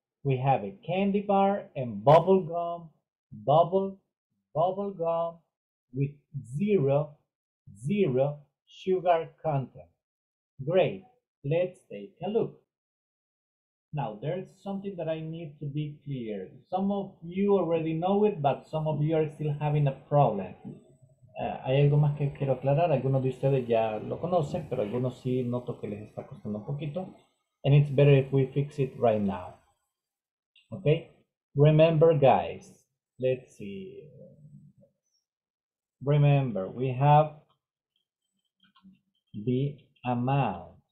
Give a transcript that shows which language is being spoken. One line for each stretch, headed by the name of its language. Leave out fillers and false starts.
English: We have a candy bar and bubble gum with zero sugar content. Great, let's take a look. Now, there's something that I need to be clear. Some of you already know it, but some of you are still having a problem.
Spanish: Hay algo más que quiero aclarar. Algunos de ustedes ya lo conocen, pero algunos sí noto que les está costando un poquito.
English: And it's better if we fix it right now. Okay? Remember, guys, let's see. Remember, we have the amount.